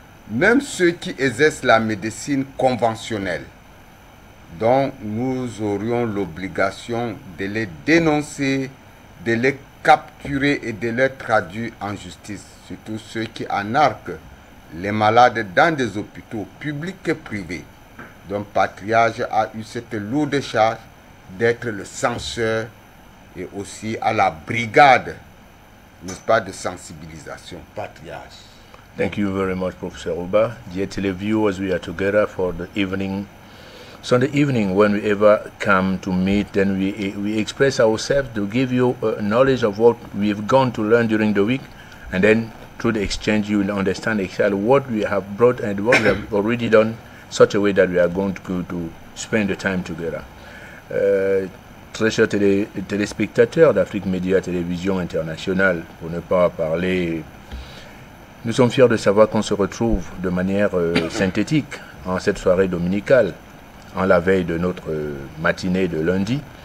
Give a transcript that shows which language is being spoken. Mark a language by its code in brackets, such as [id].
[fr] Même ceux qui exercent la médecine conventionnelle, dont nous aurions l'obligation de les dénoncer, de les capturer et de les traduire en justice, surtout ceux qui anarquent les malades dans des hôpitaux publics et privés, dont Patriage a eu cette lourde charge d'être le censeur et aussi à la brigade, n'est-ce pas, de sensibilisation, Patriage. [en] Thank you very much, Professor Uba. Dear televiewers, we are together for the evening. Sunday evening, when we ever come to meet, then we express ourselves to give you knowledge of what we've gone to learn during the week. And then through the exchange, you will understand exactly what we have brought and what we have already done, such a way that we are going to go to spend the time together. [fr] Très chers téléspectateurs d'Afrique Média Télévision Internationale, pour ne pas parler, nous sommes fiers de savoir qu'on se retrouve de manière synthétique en cette soirée dominicale, en la veille de notre matinée de lundi.